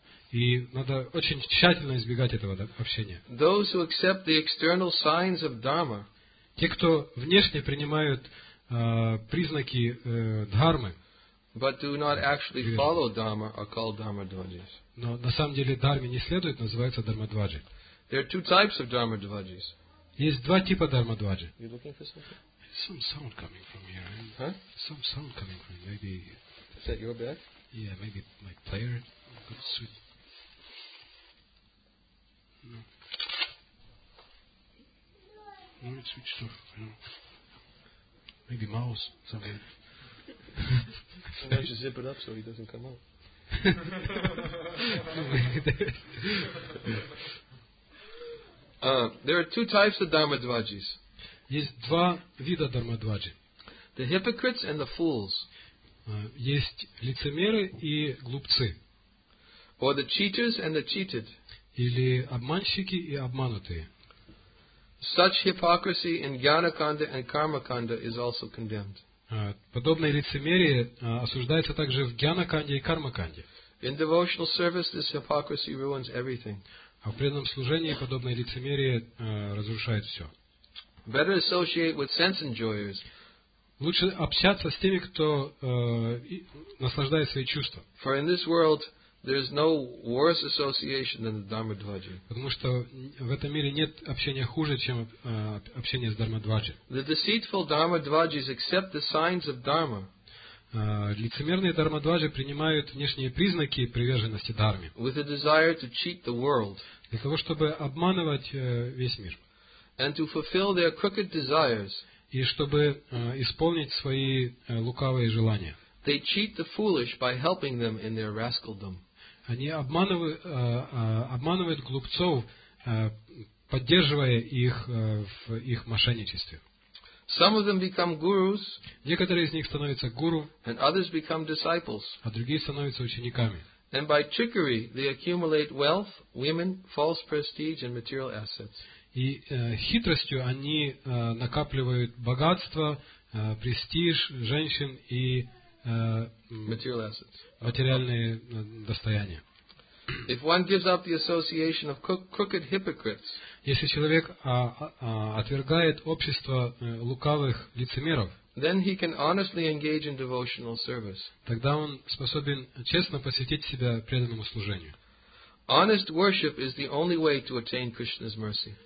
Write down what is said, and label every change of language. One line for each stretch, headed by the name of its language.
Russian: И надо очень тщательно избегать этого общения.
English: Those who accept the external signs of Dharma,
Russian: те, кто внешне принимают признаки дхармы,
English: but do not actually follow Dharma, are called Dharma Dvajis.
Russian: Но на самом деле дхарме не следует, называется Dharma Dvaji.
English: There are two types of Dharma Dvajis.
Russian: Есть два типа Dharma Dvaji.
English: You looking for something? Some sound coming from here. Huh? Some sound coming from here. Maybe. Is that your bag? Yeah, maybe my player. Good suit. No. No, it's switched off. No. Maybe mouse, something. Why don't you zip it up so he doesn't come out? there are two types of Dharma Dvajis.
Russian: Есть два вида Dharma Dvaji.
English: The hypocrites and the fools.
Russian: Есть лицемеры и глупцы.
English: Or the cheaters and the cheated.
Russian: Или обманщики и обманутые.
English: Such hypocrisy in Jnanakanda and Karmakanda is also condemned.
Russian: Подобное лицемерие осуждается также в Jnanakanda и Karmakanda.
English: In devotional service, this hypocrisy ruins everything.
Russian: А в преданном служении подобное лицемерие разрушает все.
English: Better associate with sense enjoyers.
Russian: Лучше общаться с теми, кто наслаждает свои чувства.
English: For in this world, there is no worse association than the Dharma Dvaji.
Russian: Потому что в этом мире нет общения хуже, чем общение с Dharma Dvaji.
English: The deceitful Dharma Dvajis accept the signs of Dharma.
Russian: Лицемерные Dharma Dvaji принимают внешние признаки приверженности Дхарме.
English: With a desire to cheat the world.
Russian: Для того, чтобы обманывать весь мир.
English: And to fulfill their crooked desires.
Russian: И чтобы исполнить свои лукавые желания.
English: They cheat the foolish by helping them in their rascaldom.
Russian: Они обманывают глупцов, поддерживая их в их мошенничестве.
English: Some of them become gurus,
Russian: некоторые из них становятся гуру,
English: and others become disciples.
Russian: А другие становятся учениками.
English: And by trickery, they accumulate wealth, women, false prestige, and material assets.
Russian: И хитростью они накапливают богатство, престиж, женщин и материальные достояния.
English: If one gives up the association of crooked hypocrites,
Russian: если человек отвергает общество лукавых лицемеров,
English: then he can honestly engage in devotional service.
Russian: Тогда он способен честно посвятить себя преданному служению.
English: Honest worship is the only way to attain Krishna's mercy.